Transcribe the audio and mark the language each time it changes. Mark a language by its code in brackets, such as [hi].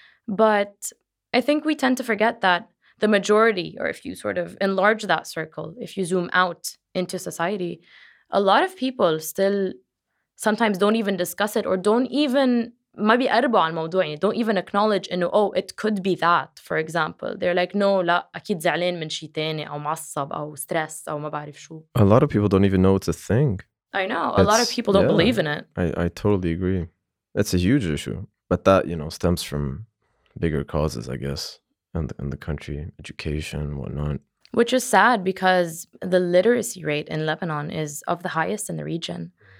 [en] But I think we tend to forget that the majority, or if you sort of enlarge that circle, if you zoom out into society, a lot of people still sometimes don't even discuss it or don't even acknowledge, you know, oh, it could be that, for example. They're like, no, [ar] لا, أكيد زعلان من شي تاني أو معصب أو stress أو ما بعرف شو. [en] A lot of people don't even know it's a thing. I know. A lot of people don't believe in it. I totally agree. It's a huge issue. But that, you know, stems from bigger causes, I guess, in the country, education, whatnot. Which is sad because the literacy rate in Lebanon is of the highest in the region.